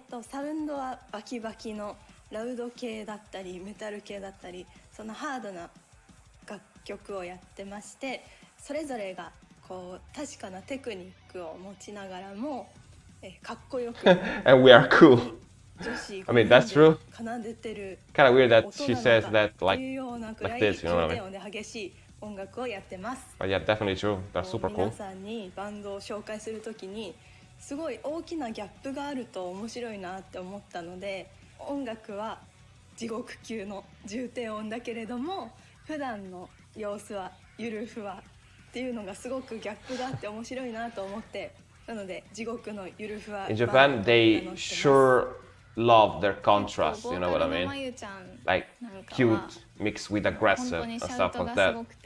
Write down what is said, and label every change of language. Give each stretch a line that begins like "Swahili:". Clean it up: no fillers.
Japanese: サウンドはバキバキのラウド系だったり、メタル系だったり、そのハードな楽曲をやってまして、それぞれがこう確かなテクニックを持ちながらも、かっこよく。
English: And we are cool. I mean, that's true. Kind of weird that she says that like this, you know what I mean? But yeah, definitely true. That's super cool.
Japanese: 皆さんにバンドを紹介するときにすごい大きなギャップがあると面白いなって思ったので音楽は地獄級の重低音だけれども普段の様子はゆるふわっていうのがすごくギャップがあって面白いなと思ってなので地獄のゆるふわ
English: In Japan, they sureLove their contrast, you know what I mean? Like cute mixed with aggressive and stuff like that.